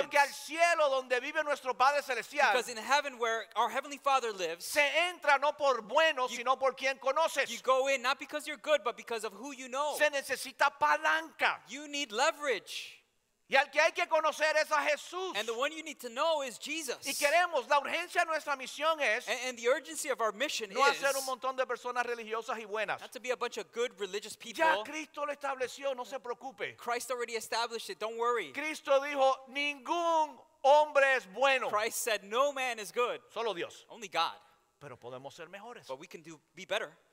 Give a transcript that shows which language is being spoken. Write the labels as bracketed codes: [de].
[es] Porque al cielo donde vive nuestro Padre celestial. [en] Because in heaven where our heavenly Father lives. [es] Se entra no por bueno sino por quien conoces. [en] You go in not because you're good but because of who you know. [es] Se necesita palanca. [en] You need leverage. [es] Y al que hay que conocer es a Jesús. [en] And the one you need to know is Jesus. [es] Y queremos, la urgencia de nuestra misión es [en] and the urgency of our mission [es] no hacer un montón de personas religiosas y buenas. [en] Not to be a bunch of good religious people. [es] Ya Cristo lo estableció, no se preocupe. [en] Christ already established it, don't worry. [es] Cristo dijo, ningún hombre es bueno. [en] Christ said, no man is good. [es] Solo Dios. [en] Only God. [es] Pero podemos ser mejores. [en] But we can be better.